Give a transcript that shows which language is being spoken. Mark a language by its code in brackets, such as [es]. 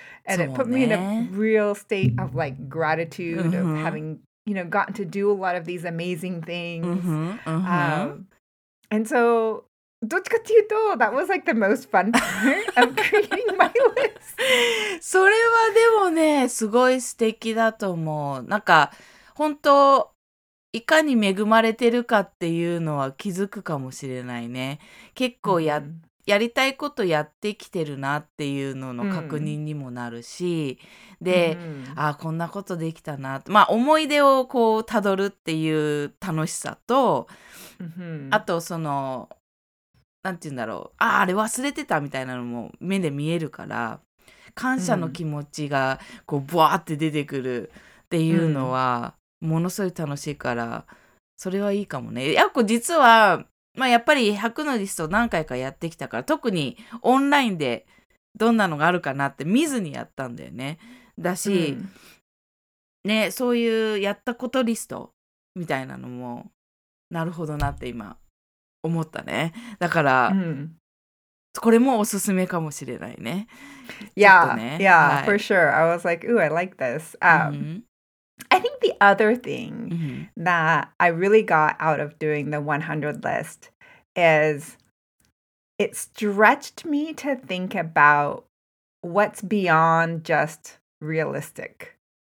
[en] And it put me in a real state of like gratitude of having, you know, gotten to do a lot of these amazing things. And so, [ja] どっちかっていうと、 [en] that was like the most fun part of creating my list. [ja] それはでもね、すごい素敵だと思う。なんか、本当、いかに恵まれてるかっていうのは気づくかもしれないね。結構やっ、やりたいことやってきてるなっていうのの確認にもなるし、で、あ、こんなことできたな、まあ思い出をこうたどるっていう楽しさと、あとそのなんて言うんだろう、あれ忘れてたみたいなのも目で見えるから、感謝の気持ちがこうブワーって出てくるっていうのはものすごい楽しいから、それはいいかもね。やっぱ実は、まあ、やっぱり100のリスト何回かやってきたから、特にオンラインでどんなのがあるかなって見ずにやったんだよね。だし、ね、そういうやったことリストみたいなのもなるほどなって今思ったね。だから、これもおすすめかもしれないね。 [en] Yeah, ね、yeah,、はい、for sure. I was like, ooh, I like this.、I think the other thing、that I really got out of doing the 100 list is it stretched me to think about what's beyond just realistic.